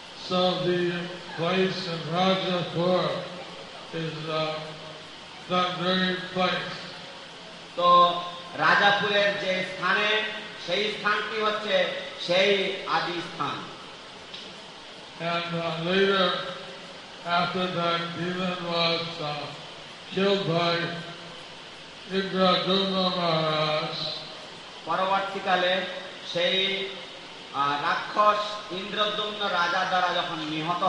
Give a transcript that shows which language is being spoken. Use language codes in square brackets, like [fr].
[en] So the place in Rajapur is that very place. [bn] তো রাজাপুরের যে স্থানে সেই স্থানটি হচ্ছে সেই আদি স্থান। [en] And later, after that demon was killed by Indradyumna Maharaj, [bn] পরবর্তীকালে সেই রাক্ষস ইন্দ্রদ্যুম্ন রাজা দ্বারা যখন নিহত